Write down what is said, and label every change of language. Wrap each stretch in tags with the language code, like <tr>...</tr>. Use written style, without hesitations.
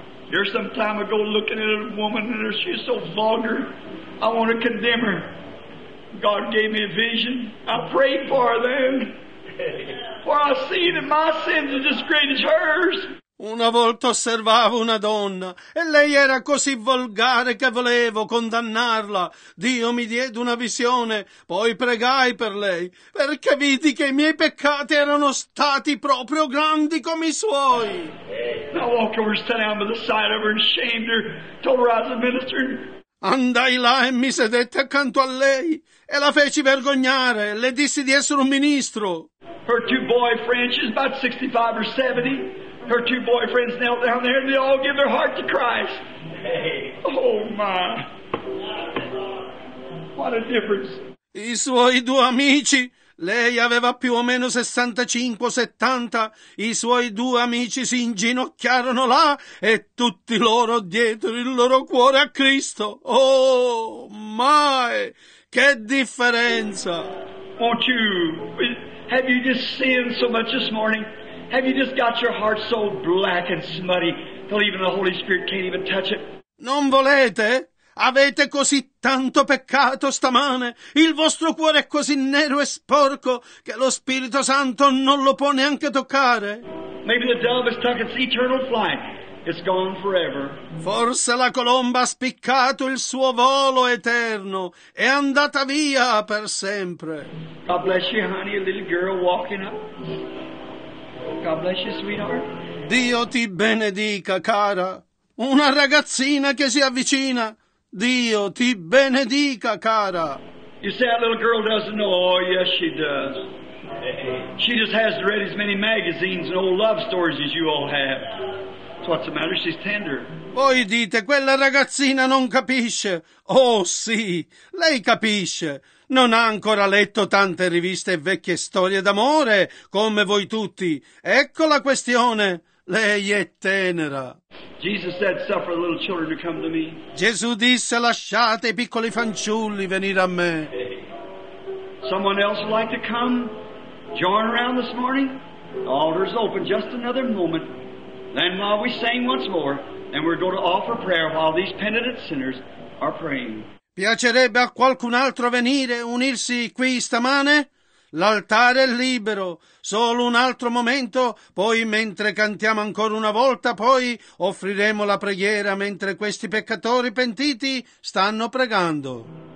<en>Here some time ago, looking at a woman and she's so vulgar, I want to condemn her. God gave me a vision. I prayed for her then. For I see that my sins are as great as hers.</en> <it>Una volta osservavo una donna e lei era così volgare che volevo condannarla. Dio mi diede una visione, poi pregai per lei, perché vidi che i miei peccati erano stati proprio grandi come i suoi.</it> <en>I walked over, sat down by the side of her and shamed her, told her I was a minister.</en> <it>Andai là e mi sedette accanto a lei e la feci vergognare. Le dissi di essere un ministro.</it> <en>Her two boyfriends, she's about 65 or 70. Her two boyfriends knelt down there and they all give their heart to Christ. Oh, my. What a difference.</en> <it>I suoi due amici. Lei aveva più o meno 65-70, i suoi due amici si inginocchiarono là e tutti loro dietro il loro cuore a Cristo. Oh, mai! Che differenza!</it> <en>Won't you, have you just sinned so much this morning? Have you just got your heart so black and smutty till even the Holy Spirit can't even touch it?</en> <it>Non volete? Avete così tanto peccato stamane, il vostro cuore è così nero e sporco che lo Spirito Santo non lo può neanche toccare.</it> <en>Maybe the dove has took its eternal flight. It's gone forever.</en> <it>Forse la colomba ha spiccato il suo volo eterno, è andata via per sempre.</it> <en>God bless you, honey, a little girl walking up. God bless you, sweetheart.</en> <it>Dio ti benedica, cara. Una ragazzina che si avvicina. Dio ti benedica, cara.</it> <en>You say that little girl doesn't know. Oh, yes, she does. She just hasn't read as many magazines and old love stories as you all have. That's what's the matter. She's tender.</en> <it>Voi dite, quella ragazzina non capisce. Oh, sì, lei capisce. Non ha ancora letto tante riviste e vecchie storie d'amore, come voi tutti. Ecco la questione. Lei è tenera.</it> <en>Jesus said, "Suffer the little children to come to me."</en> <it>Gesù disse, lasciate i piccoli fanciulli venire a me.</it> <en>Someone else would like to come, join around this morning. The altar's open. Just another moment. Then while we sing once more, and we're going to offer prayer while these penitent sinners are praying.</en> <it>Piacerebbe a qualcun altro venire, unirsi qui stamane? L'altare è libero, solo un altro momento, poi mentre cantiamo ancora una volta, poi offriremo la preghiera mentre questi peccatori pentiti stanno pregando.</it>